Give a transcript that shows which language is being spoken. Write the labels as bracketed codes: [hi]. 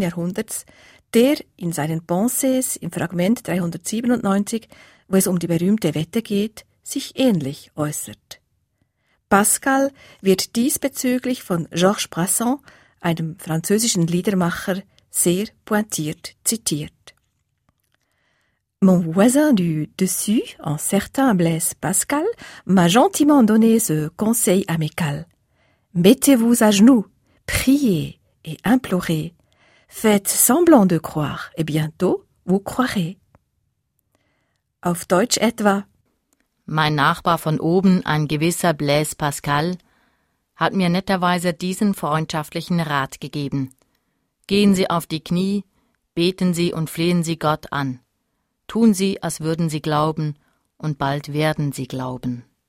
[de] Jahrhunderts, der in seinen Pensées im Fragment 397, wo es um die berühmte Wette geht, sich ähnlich äußert. Pascal wird diesbezüglich von Georges Brassens, einem französischen Liedermacher, sehr pointiert zitiert. [fr] Mon voisin du dessus, un certain Blaise Pascal, m'a gentiment donné ce conseil amical. Mettez-vous à genoux, priez et implorez. Faites semblant de croire et bientôt vous croirez. [de] Auf Deutsch etwa: Mein Nachbar von oben, ein gewisser Blaise Pascal, hat mir netterweise diesen freundschaftlichen Rat gegeben. Gehen Sie auf die Knie, beten Sie und flehen Sie Gott an. Tun Sie, als würden Sie glauben, und bald werden Sie glauben.